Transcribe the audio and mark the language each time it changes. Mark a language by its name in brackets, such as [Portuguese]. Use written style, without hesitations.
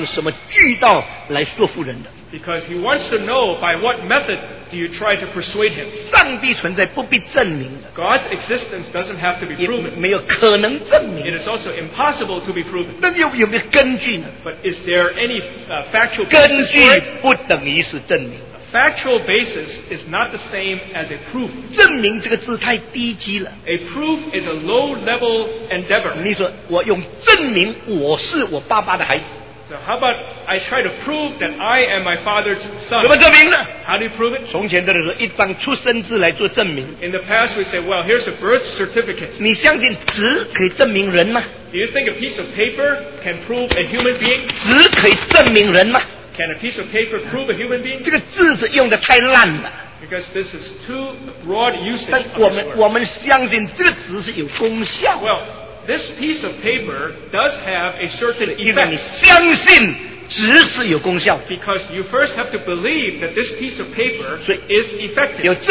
[Chinese] 因为他看看你是用什么渠道来说服人的。 [English] Because he wants to know by what method do you try to persuade him. [Chinese] 上帝存在不必证明的, [English] God's existence doesn't have to be proven. [Chinese] 也没有可能证明, [English] it is also impossible to be proven. [Chinese] 那有没有根据呢? [English] But is there any factual [Chinese] basis? 根据不等于是证明。 [English] Factual basis is not the same as a proof. [Chinese] 证明这个字太低级了。 [English] A proof is a low level endeavor. [Chinese] 你说我用证明我是我爸爸的孩子。 [English] So how about I try to prove that I am my father's son? [Chinese] 怎么证明呢? [English] How do you prove it? [Chinese] 从前的人说一张出生字来做证明。 [English] In the past we say, well, here's a birth certificate. [Chinese] 你相信纸可以证明人吗? [English] Do you think a piece of paper can prove a human being? [Chinese] 纸可以证明人吗? [English] Can a piece of paper prove a human being? [Chinese] 这个字是用得太烂了。 [English] Because this is too broad usage. [Chinese] 但我们相信这个纸是有功效。 [English] Well, this piece of paper does have a certain effect. [Chinese] 因为你相信, [English] Because you first have to believe that this piece of paper is effective.